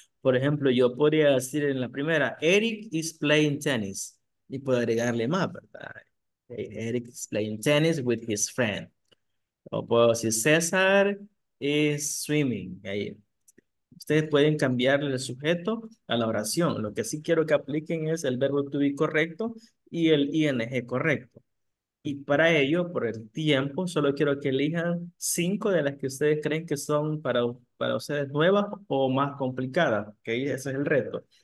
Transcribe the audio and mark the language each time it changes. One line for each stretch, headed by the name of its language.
Spanish: Por ejemplo, yo podría decir en la primera,
English: Eric is playing tennis,
Spanish: y puedo agregarle más, ¿verdad?
English: Hey, Eric is playing tennis with his friend.
Spanish: O puedo decir,
English: César is swimming.
Spanish: Ahí. Ustedes pueden cambiar el sujeto a la oración. Lo que sí quiero que apliquen es el verbo to be correcto y el ing correcto. Y para ello, por el tiempo, solo quiero que elijan cinco de las que ustedes creen que son para ustedes nuevas o más complicadas. ¿Okay? Ese es el reto.